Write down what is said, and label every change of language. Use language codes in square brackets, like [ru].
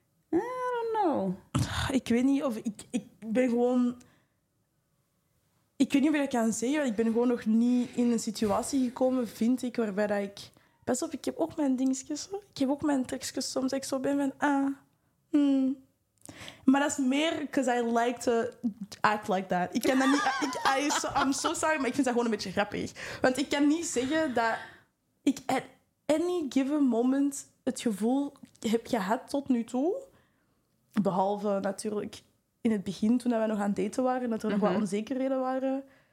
[en] I don't know. [nl] Ik weet niet of... Ik ben gewoon... Ik weet niet of ik dat kan zeggen. Ik ben gewoon nog niet in een situatie gekomen, vind ik, waarbij dat ik... Pas op, ik heb ook mijn dingetjes. Hoor. Ik heb ook mijn tekstjes soms. Ik zo ben van, ah. Hmm. Maar dat is meer [en] because I like to act like that. [nl] Ik kan dat niet... [en] I'm so sorry, [nl] maar ik vind dat gewoon een beetje grappig. Want ik kan niet zeggen dat ik [en] at any given moment [nl] het gevoel heb gehad tot nu toe. Behalve natuurlijk in het begin, toen we nog aan het daten waren, dat er nog wat onzekerheden waren.